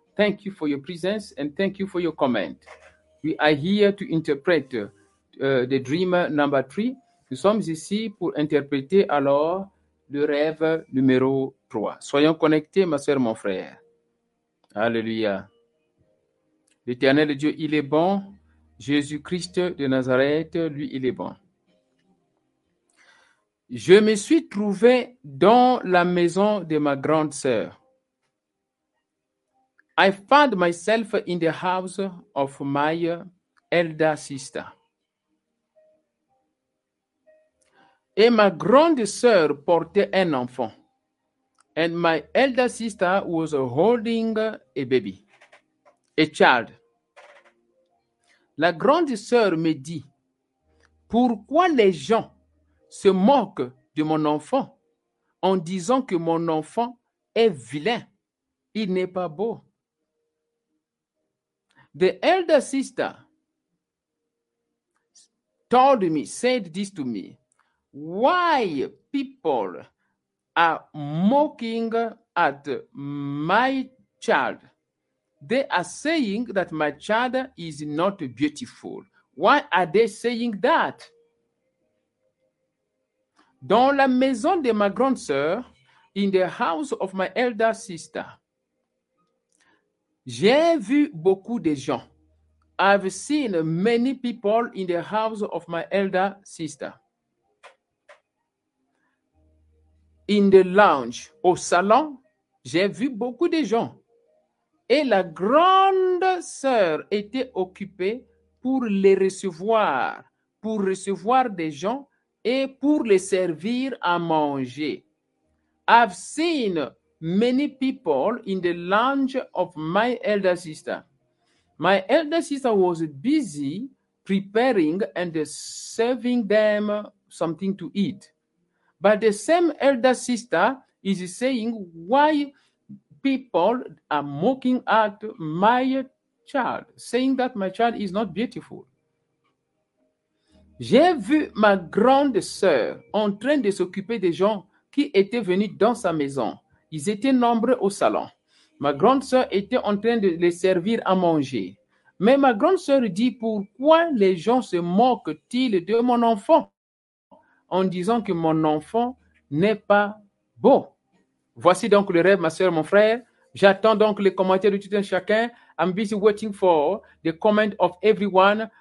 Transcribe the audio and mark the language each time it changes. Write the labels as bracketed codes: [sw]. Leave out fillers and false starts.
[en] Thank you for your presence and thank you for your comment. We are here to interpret the dream number 3. [fr] Nous sommes ici pour interpréter alors le rêve numéro 3. Soyons connectés, ma sœur, mon frère. Alléluia. L'Éternel Dieu, il est bon. Jésus-Christ de Nazareth, lui, il est bon. Je me suis trouvé dans la maison de ma grande sœur. [en] I found myself in the house of my elder sister. [fr] Et ma grande sœur portait un enfant. [en] And my elder sister was holding a baby, a child. [fr] La grande sœur me dit, pourquoi les gens se moquent de mon enfant en disant que mon enfant est vilain, il n'est pas beau. [en] The elder sister told me, said this to me, why people are mocking at my child? They are saying that my child is not beautiful. Why are they saying that? [fr] Dans la maison de ma grande sœur, [en] in the house of my elder sister, [fr] j'ai vu beaucoup de gens. [en] I've seen many people in the house of my elder sister. In the lounge, [fr] au salon, j'ai vu beaucoup de gens. Et la grande sœur était occupée pour les recevoir, pour recevoir des gens et pour les servir à manger. [en] I've seen many people in the lounge of my elder sister. My elder sister was busy preparing and serving them something to eat. But the same elder sister is saying why people are mocking at my child, saying that my child is not beautiful. [fr] J'ai vu ma grande sœur en train de s'occuper des gens qui étaient venus dans sa maison. Ils étaient nombreux au salon. Ma grande sœur était en train de les servir à manger. Mais ma grande sœur dit, pourquoi les gens se moquent-ils de mon enfant en disant que mon enfant n'est pas beau? Voici donc le rêve, ma sœur, mon frère. J'attends donc les commentaires de tout un chacun. [en] I'm busy waiting for the comment of everyone.